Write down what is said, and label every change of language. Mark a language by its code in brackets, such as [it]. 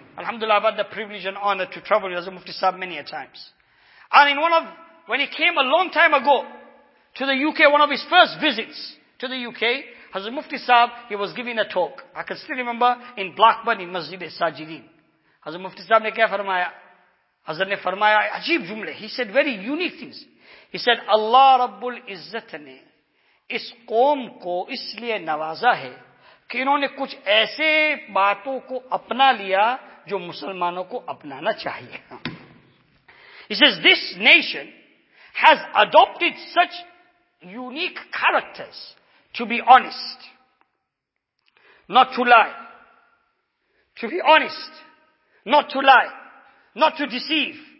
[en] Alhamdulillah, I've had the privilege and honor to travel with Hazrat Mufti Sahib many a times. And in one of, when he came a long time ago to the UK, one of his first visits to the UK, Hazrat Mufti Sahib, he was giving a talk. I can still remember in Blackburn in Masjid-e-Sajidin. [ur] حضرت مفتی صاحب نے کیا فرمایا? حضرت نے فرمایا, عجیب جملے. [en] He said very unique things. He said, [ur] اللہ ربّ العزت نے اس قوم کو اس لیے نوازا ہے کہ انہوں نے کچھ ایسے باتوں کو اپنا لیا جو مسلمانوں کو اپنانا چاہیے. [en] He says, this nation has adopted such unique characters. To be honest, not to lie. To be honest, not to lie, not to deceive.